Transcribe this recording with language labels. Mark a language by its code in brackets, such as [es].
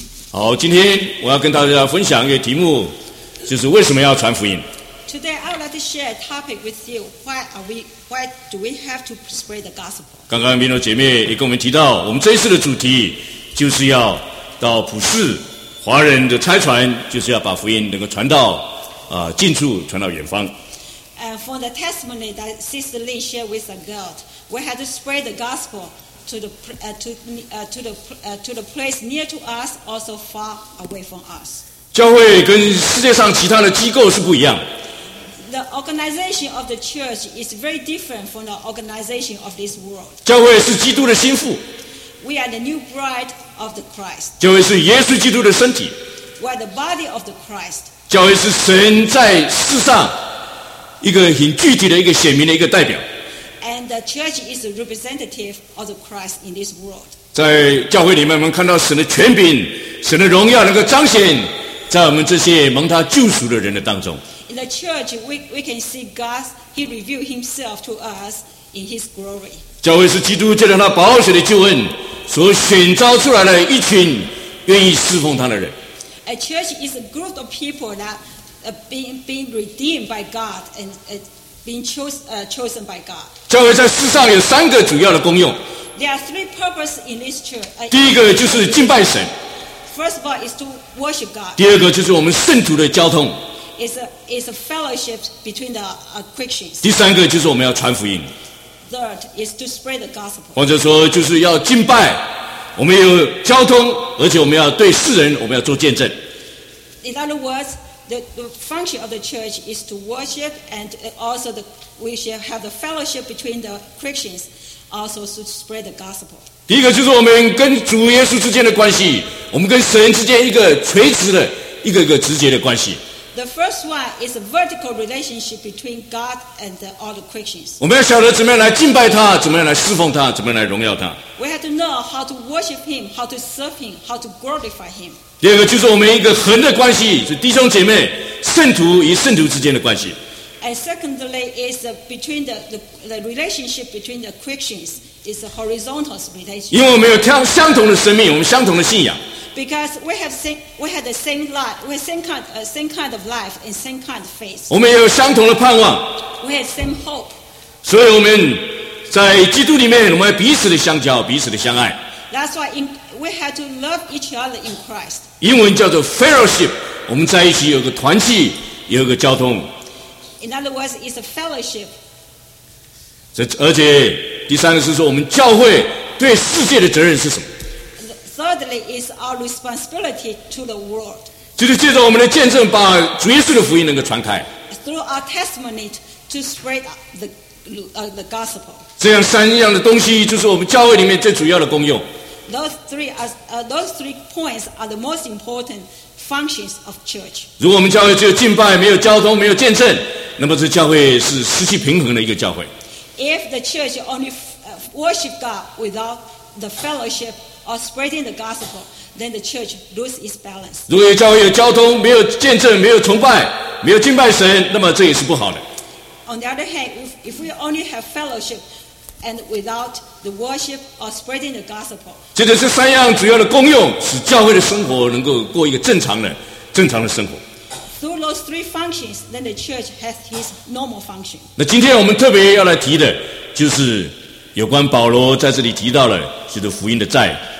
[zh] 好，今天我要跟大家分享一个题目，就是为什么要传福音。 [en] Today I would like to share a topic with you. Why do we have to spread the gospel? [zh] 刚刚明罗姐妹也跟我们提到，我们这一次的主题就是要到普世华人的差传，就是要把福音能够传到近处，传到远方。 [en] For the testimony that Sister Lin shared with the girl, we had to spread the gospel. To the place near to us, also far away from us. [zh] 教会跟世界上其他的机构是不一样。 [en] The organization of the church is very different from the organization of this world. [zh] 教会是基督的心腹。 [en] We are the new bride of the Christ. [zh] 教会是耶稣基督的身体。 [en] We are the body of the Christ. [zh] 教会是神在世上一个很具体的一个显明的一个代表。 [en] And And the church is a representative of the Christ in this world. [zh] 在教会里面，我们看到神的权柄、神的荣耀能够彰显在我们这些蒙他救赎的人的当中。 [en] In the church, we can see God. He revealed Himself to us in His glory. [zh] 教会是基督借着他宝血的救恩所选召出来的一群愿意侍奉他的人。 [en] A church is a group of people that being redeemed by God and being chosen by God. [zh] 教会在世上有三个主要的功用。 [en] There are three purposes in this church. [zh] 第一个就是敬拜神。 [en] First of all is to worship God. [zh] 第二个就是我们圣徒的交通。 [en] It's a fellowship between the Christians. [zh] 第三个就是我们要传福音。 [en] Third is to spread the gospel. [zh] 或者说就是要敬拜，我们有交通，而且我们要对世人，我们要做见证。 [en] In other words, the function of the church is to worship, and also we should have the fellowship between the Christians, also to spread the gospel. [zh] 第一个就是我们跟主耶稣之间的关系，我们跟神之间一个垂直的、一个一个直接的关系。 [en] The first one is a vertical relationship between God and all the Christians. [zh] 我们要晓得怎么样来敬拜他，怎么样来侍奉他，怎么样来荣耀他。 [en] We have to know how to worship Him, how to serve Him, how to glorify Him. [zh] 第二个就是我们一个恒的关系，是弟兄姐妹、圣徒与圣徒之间的关系。 [en] And secondly is between the relationship between the Christians is a horizontal relationship. [zh] 因为我们有相同的生命，我们相同的信仰。 [en] Because we have the same life, we have same kind of life and same kind of faith. [zh] 我们也有相同的盼望。 [en] We have same hope. [zh] 所以我们在基督里面，我们彼此的相交，彼此的相爱。 [en] That's why we have to love each other in Christ. [zh] 英文叫做 fellowship. 我们在一起有个团契，有个交通。 [en] In other words, it's a fellowship. [zh] 而且第三个是说，我们教会对世界的责任是什么？ [en] Thirdly, is our responsibility to the world. [zh] 就是借着我们的见证，把主耶稣的福音能够传开。 [en] Through our testimony to spread the gospel. [zh] 这样三样的东西就是我们教会里面最主要的功用。 [en] Those three points are the most important functions of church. [zh] 如果我们教会只有敬拜，没有交通，没有见证，那么这教会是失去平衡的一个教会。 [en] If the church only worship God without the fellowship or spreading the gospel, then the church loses its balance. [zh] 如果有教会有交通，没有见证，没有崇拜，没有敬拜神，那么这也是不好的。 [en] On the other hand, if we only have fellowship and without the worship or spreading the gospel, [zh] 接着这三样主要的功用，使教会的生活能够过一个正常的生活。 [en] Through those three functions, then the church has its normal function. [zh] 那今天我们特别要来提的，就是有关保罗在这里提到了就是福音的债。